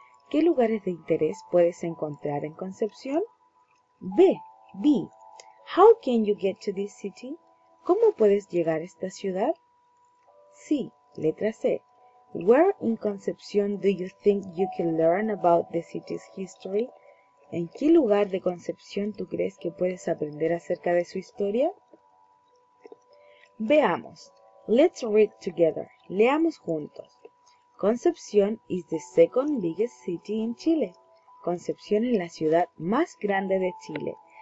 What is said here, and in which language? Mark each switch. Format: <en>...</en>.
<es>¿Qué lugares de interés puedes encontrar en Concepción? B.</es> <en>How can you get to this city?</en> <es>¿Cómo puedes llegar a esta ciudad? C. Letra C.</es> <en>Where in Concepción do you think you can learn about the city's history?</en> <es>¿En qué lugar de Concepción tú crees que puedes aprender acerca de su historia? Veamos.</es> <en>Let's read together.</en> <es>Leamos juntos.</es> <en>Concepción is the second biggest city in Chile.</en> <es>Concepción es la ciudad más grande de Chile.</es>